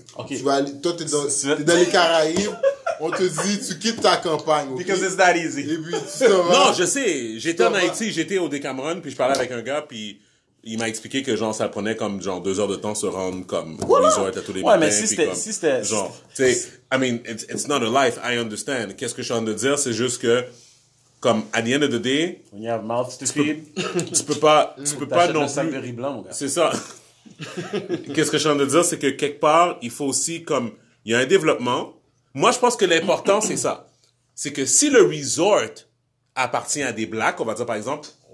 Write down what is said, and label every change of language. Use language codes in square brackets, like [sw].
[en] Okay. [fr] Tu vas aller, toi, t'es dans les Caraïbes, on te dit, tu quittes ta campagne. [en] Okay? Because it's that easy. [fr] Et puis, tu t'en vas. Non, je sais. J'étais en Haïti, j'étais au Decameron, puis je parlais avec un gars, puis il m'a expliqué que genre, ça prenait comme genre 2 heures de temps se rendre comme au resort à tous les matins. Ouais, mais si c'était. Genre, tu sais, [en] I mean, it's not a life, I understand. [fr] Qu'est-ce que je suis en train de dire? C'est juste que. Comme, [en] at the end of the day... When you have mouth to feed... [fr] Tu peux pas non plus... T'achètes le sac de riz blanc, mon gars. C'est ça. Qu'est-ce que je suis en train de dire, c'est que quelque part, il faut aussi, comme... Il y a un développement. Moi, je pense que l'important, c'est ça. C'est que si le resort appartient à des Blacks, on va dire, par exemple...